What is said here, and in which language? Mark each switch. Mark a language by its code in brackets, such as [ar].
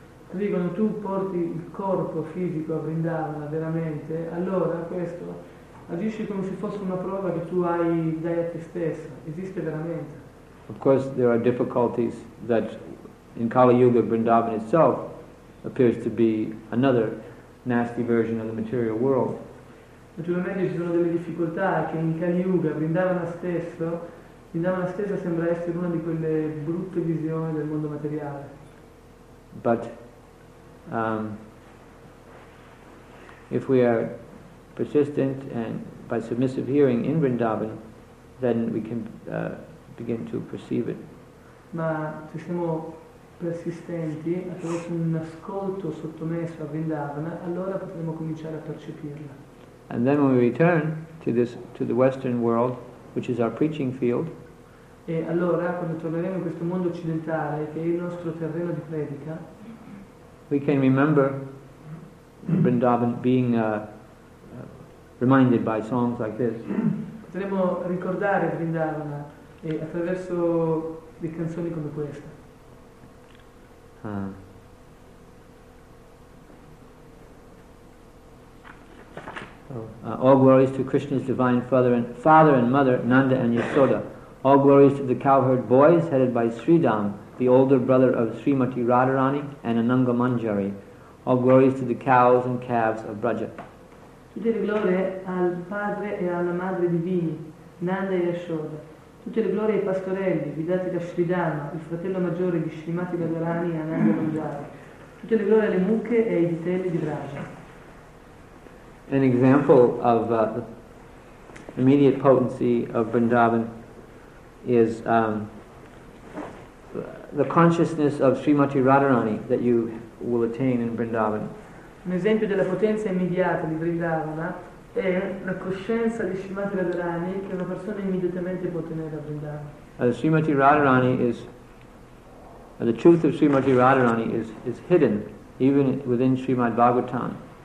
[it] Quindi quando tu porti il corpo fisico a Vrindavan veramente, allora questo agisce come se fosse una prova che tu hai dai a te stesso, esiste veramente. [en] Of course there are difficulties that in Kali Yuga Vrindavan itself appears to be another nasty version of the material world. [it] Naturalmente ci sono delle difficoltà che in Kali Yuga Vrindavan stesso sembra essere una di quelle brutte visioni del mondo materiale. [en] But if we are persistent and by submissive hearing in Vrindavan, then we can begin to perceive it. [it] Ma se siamo persistenti attraverso un ascolto sottomesso a Vrindavan, allora potremo cominciare a percepirla. [en] And then when we return to the Western world, which is our preaching field. [it] E allora quando torneremo in questo mondo occidentale, che è il nostro terreno di predica, [en] we can remember Vrindavan being reminded by songs like this. [it] Potremmo ricordare Vrindavan attraverso le canzoni come questa. [en] All glories to Krishna's divine father and mother, Nanda and Yashoda. All glories to the cowherd boys headed by Sridham, the older brother of Srimati Radharani and Ananga Manjari. All glories to the cows and calves of Braja. [it] Tutte le glorie al padre e alla madre divini, Nanda e Yashoda. Tutte le glorie ai pastorelli, guidati da Sridhama, il fratello maggiore di Srimati Radharani e Ananga Manjari. Tutte le glorie alle mucche e ai vitelli di Braja. [en] An example of immediate potency of Vrindavan is the consciousness of Srimati Radharani that you will attain in Vrindavan. [it] Un esempio della potenza immediata di Vrindavana è la coscienza di Srimati Radharani che una persona immediatamente può ottenere a Vrindavan. [en] Srimati Radharani is the truth of Srimati Radharani is hidden even within Srimad Bhagavatam.